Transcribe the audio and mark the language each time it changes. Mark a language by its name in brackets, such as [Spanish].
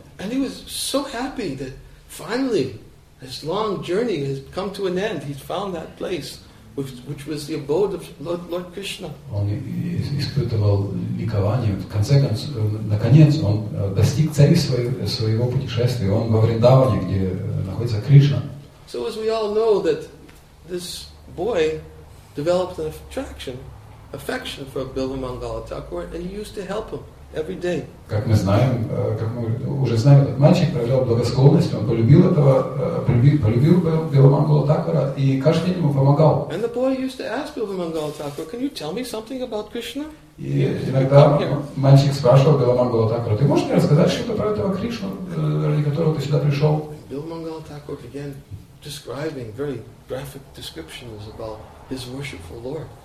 [English] And he was so happy that finally this long journey has come to an end. He's found that place which was the abode of Lord Krishna. [Russian] Он испытывал ликование. В конце концов, наконец, он достиг цели своего путешествия. Он во Вриндаване, где находится Кришна. [English] So as we all know that this boy developed an attraction, affection for Billa Mangala Thakur, and he used to help him every day. [Russian] Как мы знаем, как мы уже знаем, этот мальчик проявлял благосклонность, он полюбил этого, полюбил Билла Мангала Такура и каждый день ему помогал. [English] And the boy used to ask Billa Mangala Thakur, "Can you tell me something about Krishna?" [Russian] И иногда мальчик спрашивал Билла Мангала Такура, "Ты можешь мне рассказать что-то про этого Кришну, ради которого ты сюда пришел?" [English] Билла Мангала Такур again describing very graphic descriptions about his worshipful Lord.